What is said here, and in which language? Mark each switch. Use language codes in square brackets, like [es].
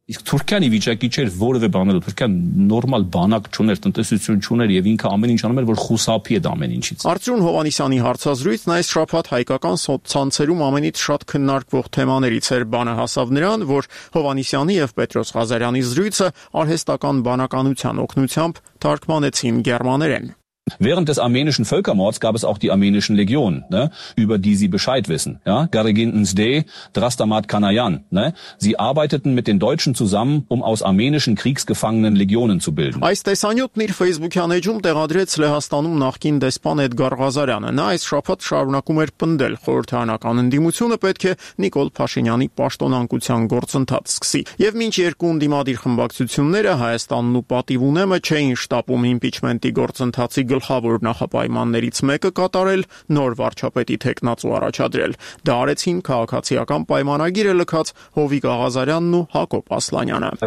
[hy] Իսկ Թուրքիան ի վիճակի չէր որևէ բանել, Թուրքիան նորմալ բանակ չուներ, տնտեսություն չուներ եւ ինքը ամեն ինչ անում էր, որ խուսափի էդ ամեն ինչից։ Արծրուն Հովանիսյանի հարցազրույցն այս շաբաթ հայկական ցանցերում ամենից շատ քննարկվող թեմաներից էր, բանը հասավ նրան, որ Հովանիսյանի եւ Պետրոս Ղազարյանի զրույցը արհեստական բանականության օգնությամբ թարգմանեցին գերմաներեն։ [de] Während des armenischen Völkermords gab es auch die armenischen Legionen, ne, über die Sie Bescheid wissen. Ja, Garegin Nzde, Drastamat Kanayan. Ne, sie arbeiteten mit den Deutschen zusammen, um aus armenischen Kriegsgefangenen Legionen zu bilden. [hy] Այս տեսանյութն իր Facebook-յան էջում տեղադրեց Լեհաստանում նախկին դեսպան Էդգար Ղազարյանը։ Նա այս շաբաթ շարունակում էր պնդել, խորհրդանական ընդդիմությունը պետք է Նիկոլ Փաշինյանի պաշտոնանկության գործընթաց սկսի։ Եվ մինչ երկու ընդդիմադիր խմբակցությունները Հայաստանն ու պատիվ ունեմը չէին շտապում իմպիչմենտի գործընթացի գլխավոր նախապայմաններից մեկը կատարել, նոր վարչապետի թեկնածու առաջադրել։ Դա արեցին քաղաքացիական պայմանագիրը լքած Հովիկ Աղազարյանն ու Հակոբ Ասլանյանը։